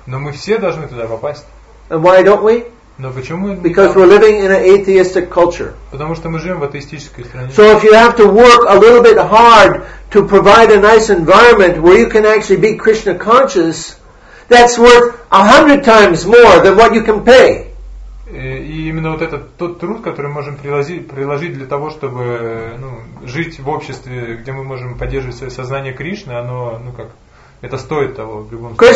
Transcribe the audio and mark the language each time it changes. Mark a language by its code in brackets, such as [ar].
[ru] Но мы все должны туда попасть. [en] And why don't we? [ru] Но почему мы? [en] Because we're living in an atheistic culture. [ru] Потому что мы живем в атеистической стране. [en] So if you have to work a little bit hard to provide a nice environment where you can actually be Krishna conscious, that's worth 100 times more than what you can pay. [ru] И именно вот этот тот труд, который мы можем приложить для того, чтобы жить в обществе, где мы можем поддерживать свое сознание Кришны, оно, это стоит того в любом случае.